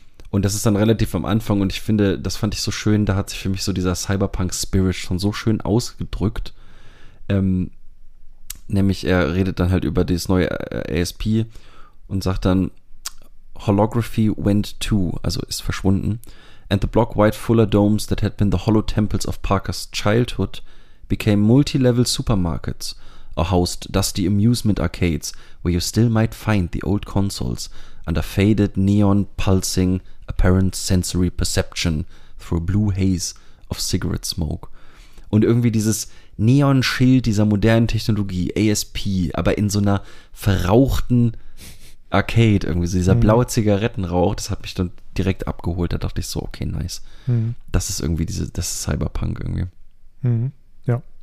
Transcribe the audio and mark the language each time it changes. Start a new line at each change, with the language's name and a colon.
German: Und das ist dann relativ am Anfang und ich finde, das fand ich so schön, da hat sich für mich so dieser Cyberpunk-Spirit schon so schön ausgedrückt. Nämlich, er redet dann halt über das neue ASP und sagt dann,
English: Holography went too,
German: also ist verschwunden.
English: And the block-wide fuller domes that had been the hollow temples of Parkers childhood became multi-level supermarkets or housed dusty amusement arcades where you still might find the old consoles under faded neon pulsing apparent sensory perception through a blue haze of cigarette smoke.
German: Und irgendwie dieses Neon-Schild dieser modernen Technologie, ASP, aber in so einer verrauchten Arcade irgendwie, so dieser blaue Zigarettenrauch, das hat mich dann direkt abgeholt. Da dachte ich so, okay, nice. Mhm. Das ist irgendwie das ist Cyberpunk irgendwie. Mhm. Ja.